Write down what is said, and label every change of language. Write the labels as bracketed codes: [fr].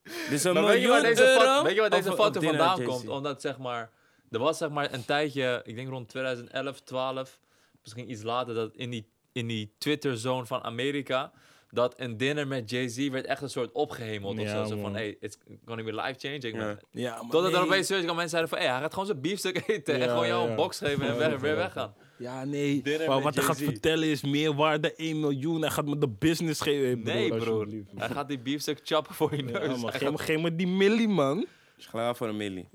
[nl] Dus een miljoen euro? Weet je waar deze foto vandaan komt? Omdat, zeg maar... Er was, zeg maar, een tijdje... Ik denk rond 2011, 12... Misschien iets later, dat in die Twitter-zone van Amerika... dat een dinner met Jay-Z werd echt een soort opgehemeld. Ja, of zo van, [en] hey, it's gonna be life-changing. [nl] Ja. Ja, totdat er opeens zoiets kwam, mensen zeiden van... hey, hij gaat gewoon zijn biefstuk eten en gewoon jou een box geven en weer weggaan. Ja, nee. Maar wat hij gaat vertellen is meer waarde 1 miljoen. Hij gaat me de business geven. Hey, broer, nee, broer. Hij gaat die biefstuk chappen voor je neus. Man, gaat... geef me die millie, man. Is klaar voor een millie.